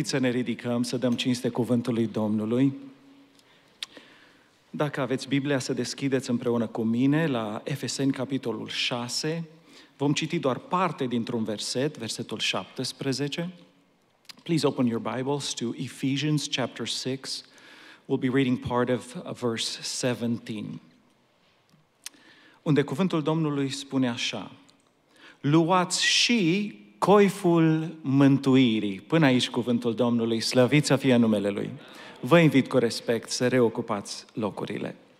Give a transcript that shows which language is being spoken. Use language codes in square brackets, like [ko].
[ro] Să ne ridicăm, să dăm cinste cuvântului Domnului. Dacă aveți Biblia, să deschideți împreună cu mine la Efeseni, capitolul 6. Vom citi doar parte dintr-un verset, versetul 17. [en] Please open your Bibles to Ephesians, chapter 6. We'll be reading part of verse 17. [ro] Unde cuvântul Domnului spune așa: luați și coiful mântuirii. Până aici cuvântul Domnului, slăvit să fie în numele Lui. Vă invit cu respect să reocupați locurile.